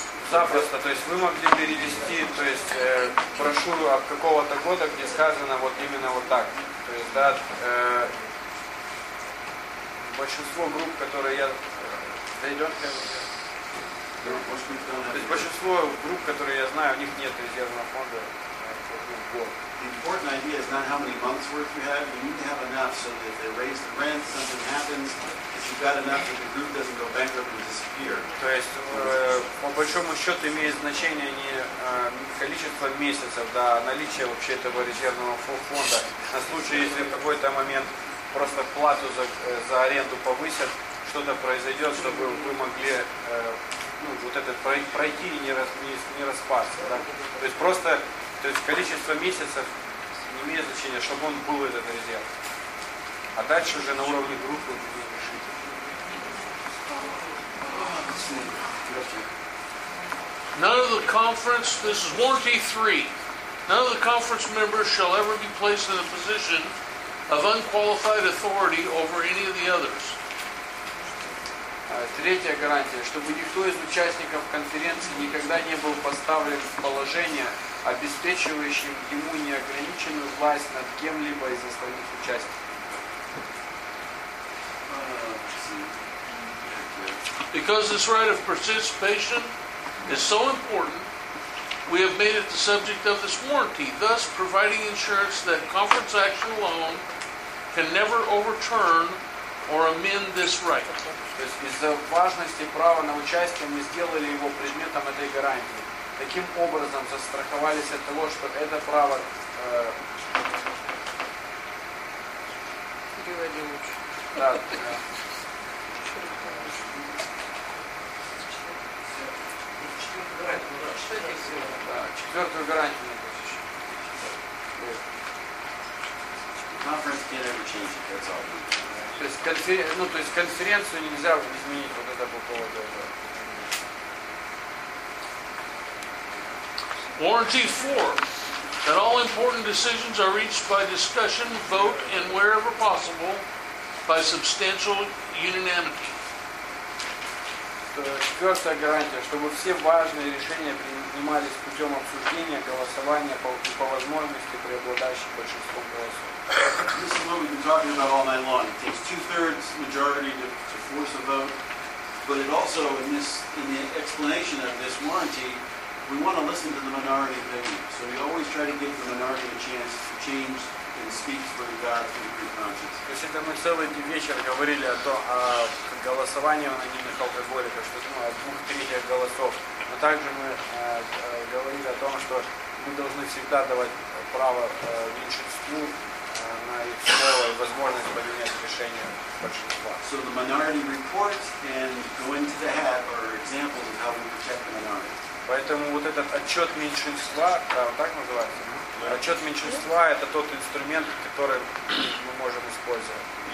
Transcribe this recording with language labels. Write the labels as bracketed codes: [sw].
[ru] Запросто, то есть вы могли перевести, то есть брошюру от какого-то года, где сказано вот именно вот так. То есть, да, большинство групп, которые я дойдет, то есть большинство групп, которые я знаю, у них нет резервного фонда. [en] The important idea is not how many months worth you have. You need to have enough so that if they raise the rent, something happens, if you've got enough that the group doesn't go bankrupt and disappear. [ru] То есть, по большому счету, имеет значение не количество месяцев, да, а наличие вообще этого резервного фонда. На случай, если в какой-то момент просто плату за аренду повысят, что-то произойдет, чтобы вы могли вот этот пройти и не распасться. Да? То есть просто. То есть количество месяцев не имеет значения, чтобы он был этот резерв. А дальше уже на уровне группы будет решить. [en] None of the conference, this is warranty 3. None of the conference members shall ever be placed in a position of unqualified authority over any of the others. [ru] Третья гарантия, чтобы никто из участников конференции никогда не был поставлен в положение, обеспечивающим ему неограниченную власть над кем-либо из остальных участников. [en] Because this right of participation is so important, we have made it the subject of this warranty, thus providing insurance that conference action alone can never overturn or amend this right. [ru] То есть из-за важности права на участие мы сделали его предметом этой гарантии. Таким образом застраховались от того, что это право переводи лучше. Да, четвертую гарантию надо читать, если да, четвертую гарантию надо еще. [en] Conference can't ever change it, that's all. [ru] То есть конференцию нельзя изменить вот это по поводу этого. [en] Warranty 4, that all important decisions are reached by discussion, vote, and wherever possible, by substantial unanimity. [ru] Четвертая гарантия, чтобы все важные решения принимались путем обсуждения, голосования и по возможности преобладающим большинством голосов. [en] This is what we've been talking about all night long. It takes 2/3 majority to force a vote, but it also, in the explanation of this warranty, we want to listen to the minority opinion, so we always try to give the minority a chance to change and speak for the God through the group conscience. [ru] То есть это мы целый вечер говорили о том, о голосовании у анонимных алкоголиков, что это от 2/3 голосов. Но также мы говорили о том, что мы должны всегда давать право меньшинству на их слово и возможность поменять решение большинства. [en] So the minority report and going to the hat are examples of how we protect the minority. [ru] Поэтому вот этот отчет меньшинства, да, вот так называется, mm-hmm. отчет меньшинства – это тот инструмент, который мы можем использовать.